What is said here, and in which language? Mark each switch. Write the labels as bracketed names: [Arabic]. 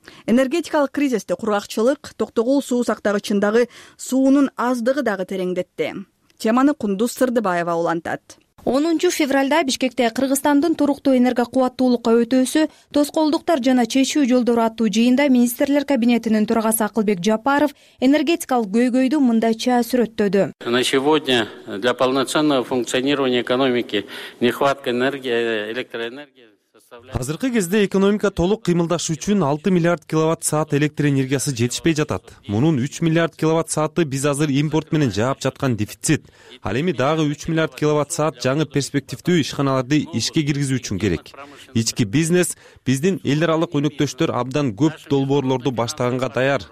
[Kyrgyz] Энергетикалык кризисти кургакчылык, токтогул суу сактагычындагы суунун аздыгы дагы тереңдетти. Теманы Кундуз Сырдыбаева улантат. 10 февралда Бишкекте Кыргызстандын туруктуу энергокубаттуулукка өтүүсү, тоскоолдуктар жана чечүү жолдору аттуу жыйында министрлер кабинетинин төрагасы Акылбек Жапаров энергетикалык көйгөйдү мындайча сүрөттөдү. [Russian] На сегодня для полноценного функционирования экономики нехватка энергии, электроэнергии. [Kyrgyz] Азыркы кезде экономика толук кыймылдашы үчүн 6 миллиард киловатт-саат электр энергиясы жетишпей жатат. Мунун 3 миллиард киловатт-сааты биз азыр импорт менен жаап жаткан дефицит. Ал эми дагы 3 миллиард киловатт-саат жаңы перспективтүү ишканаларды ишке киргизүү үчүн керек. Ички бизнес, биздин эл аралык өнөктөштөр абдан көп долбоорлорду баштаганга даяр.